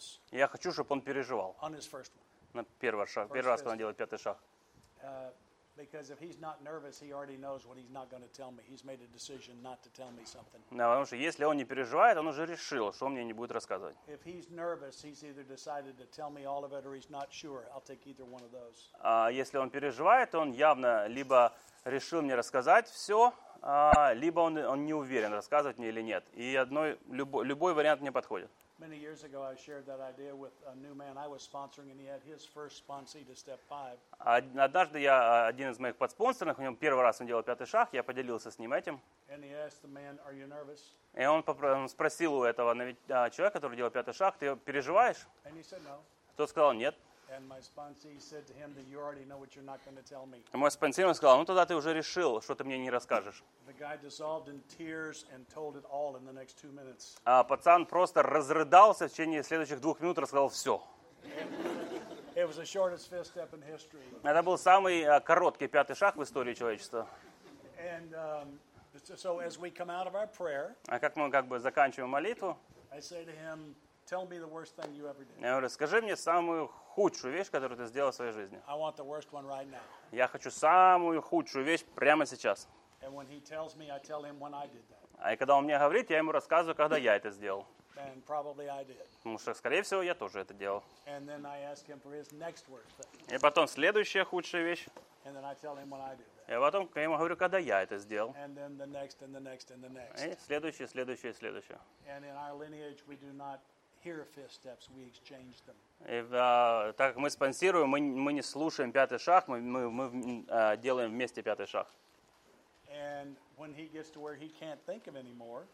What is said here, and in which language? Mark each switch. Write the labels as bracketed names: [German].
[Russian] Я хочу, чтобы он переживал на первый шаг, первый раз, когда он делает пятый шаг. [English] Because if he's not nervous, he already knows what he's not going to tell me. He's made a decision not to tell me something. [Russian] Да, потому что если он не переживает, он уже решил, что он мне не будет рассказывать. [English] If he's nervous, he's either decided to tell me all of it, or he's not sure. I'll take either one of those. [Russian] А если он переживает, он явно либо решил мне рассказать все, либо он не уверен, рассказывать мне или нет. И любой вариант мне подходит. [English] Many years ago I shared that idea with a new man I was sponsoring and he had his first sponsee to step 5. [Russian] Однажды я один из моих подспонсоров, у него первый раз он делал пятый шаг, я поделился с ним этим. [English] And he asked the man, are you nervous? [Russian] И он спросил у этого человека, который делал пятый шаг, ты переживаешь? [English] And he said no. [Russian] Тот сказал нет. [English] And my sponsee said to him that you already know what you're not going to tell me. [Russian] Мой спонсор сказал: "Ну тогда ты уже решил, что ты мне не расскажешь". [English] The guy dissolved in tears and told it all in the next 2 minutes. [Russian] А пацан просто разрыдался в течение следующих 2 минут, рассказал всё. [English] It was the shortest fifth step in history. [Russian] Это был самый короткий пятый шаг в истории человечества. [English] And so as we come out of our prayer, [Russian] а как мы заканчиваем молитву? [English] I say to him, "Tell me the worst thing you ever did". [Russian] Я говорю: "Расскажи мне самую худшую вещь, которую ты сделал в своей жизни". [English] I want the worst one right now. [Russian] Я хочу самую худшую вещь прямо сейчас. [English] And when he tells me, I tell him when I did that. [Russian] А когда он мне говорит, я ему рассказываю, когда я это сделал. [English] And probably I did. [Russian] Потому что, скорее всего, я тоже это делал. [English] And then I ask him for his next worst thing. [Russian] И потом следующая худшая вещь. [English] And then I tell him when I did that. [Russian] И потом я ему говорю, когда я это сделал. [English] And then the next, and the next, and the next. [Russian] И следующее, следующее, следующее. [English] And in our lineage, we do not hear fifth steps, we exchange them. [Russian] И так как мы спонсируем, мы не слушаем пятый шаг, мы делаем вместе пятый шаг. [English] And when he gets to where he can't think of anymore,